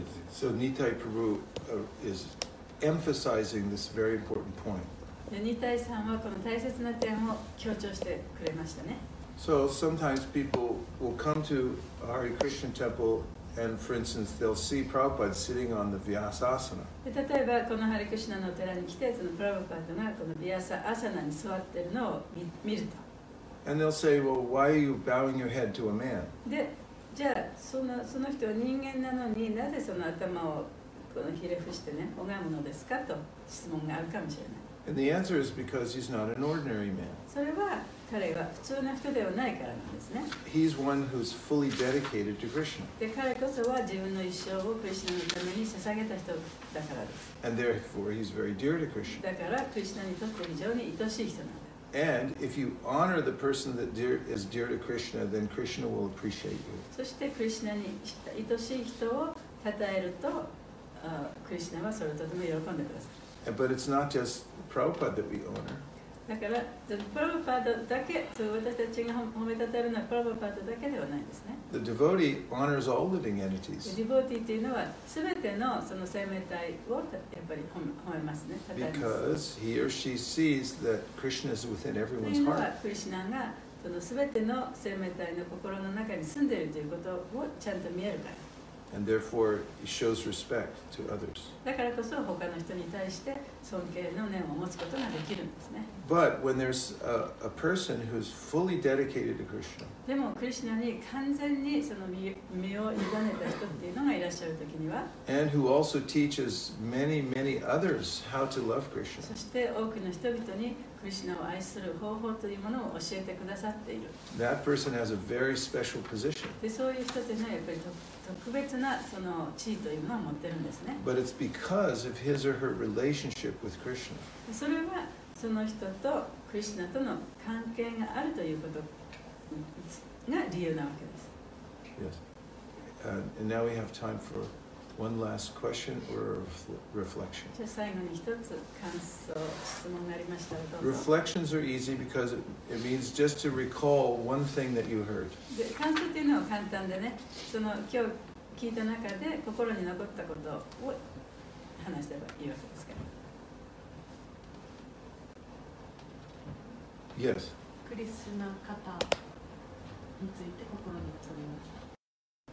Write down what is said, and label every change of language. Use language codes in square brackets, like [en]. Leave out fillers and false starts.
[en] So Nitai Prabhu is emphasizing this very important point. [ja] Nitai さんはこの大切な点を強調してくれましたね。 [en] So sometimes people will come to Hare Krishna temple and for instance they'll see Prabhupada sitting on the Vyasasana. [ja] 例えばこのハリクリシナの寺に来てそのプラヴパッドがこのヴィアサアサナに座ってるのを見ると。 [en] And they'll say, well, why are you bowing your head to a man? [ja] で、じゃあその人は人間なのになぜその頭をこのひれ伏してね、拝むのですかと質問があるかもしれない。 [en] And the answer is because he's not an ordinary man. [ja] それは彼は普通の人ではないからなんですね。 [en] He's one who's fully dedicated to Krishna. [ja] で、彼こそは自分の一生をクリシナのために捧げた人だからです。 [en] And therefore he's very dear to Krishna. [ja] だからクリシナにとって非常に愛しい人なんです。 [en] And if you honor the person that dear, is dear to Krishna, then Krishna will appreciate you. [ja] そしてクリシナに愛しい人を称えると、クリシナはそれをとても喜んでください。 [en] But it's not just Prabhupada that we honor. [ja] だから、プラヴァパッドだけ、そう私たちが褒め称えるのはプラヴァパッドだけではないんですね。 [en] The devotee honors all living entities. [ja] ディボーティーというのは、すべてのその生命体をやっぱり褒めますね。 [en] Because he or she sees that Krishna is within everyone's heart. [ja] というのは、クリシナがそのすべての生命体の心の中に住んでいるということをちゃんと見えるから。 [en] And therefore, he shows respect to others. [ja] だからこそ他の人に対して尊敬の念を持つことができるんですね。 [en] But when there's a person who's fully dedicated to Krishna, [ja] でもクリシナに完全にその身を委ねた人っていうのがいらっしゃるときには、 [en] and who also teaches many, many others how to love Krishna. [ja] そして多くの人々にクリシナを愛する方法というものを教えてくださっている。 [en] That person has a very special position. [ja] でそういう人ってのはやっぱり特別なその地位というものを持ってるんですね。 [en] But it's because of his or her relationship with Krishna. [ja] それはその人とクリシナとの関係があるということが理由なわけです。 [en] Yes. And now we have time for one last question or reflection. [ja] じゃあ最後に一つ感想、質問がありましたらどうぞ。 [en] Reflections are easy because it means just to recall one thing that you heard. [ja] で、感想というのは簡単でね、その今日聞いた中で心に残ったことを話せばいいわけですから。 [en] Yes. [ja] クリスナ方について心に留めます。